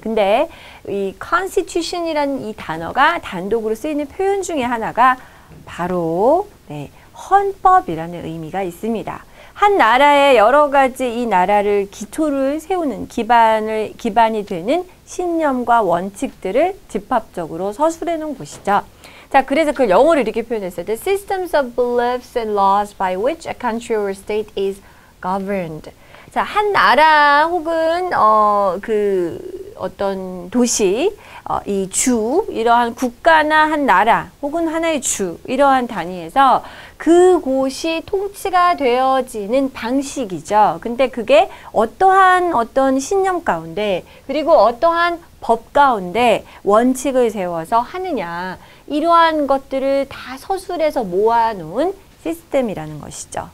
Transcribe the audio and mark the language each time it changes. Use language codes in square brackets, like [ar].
[ko] 근데 이 constitution이라는 이 단어가 단독으로 쓰이는 표현 중에 하나가 바로, 네, 헌법이라는 의미가 있습니다. 한 나라의 여러 가지 이 나라를 기초를 세우는 기반이 되는 신념과 원칙들을 집합적으로 서술해 놓은 곳이죠. 자, 그래서 그 영어로 이렇게 표현했어요. [en] The systems of beliefs and laws by which a country or state is governed. [ko] 자, 한 나라 혹은 그 어떤 도시, 이 주, 이러한 국가나 한 나라 혹은 하나의 주, 이러한 단위에서 그곳이 통치가 되어지는 방식이죠. 근데 그게 어떠한 어떤 신념 가운데, 그리고 어떠한 법 가운데 원칙을 세워서 하느냐, 이러한 것들을 다 서술해서 모아놓은 시스템이라는 것이죠.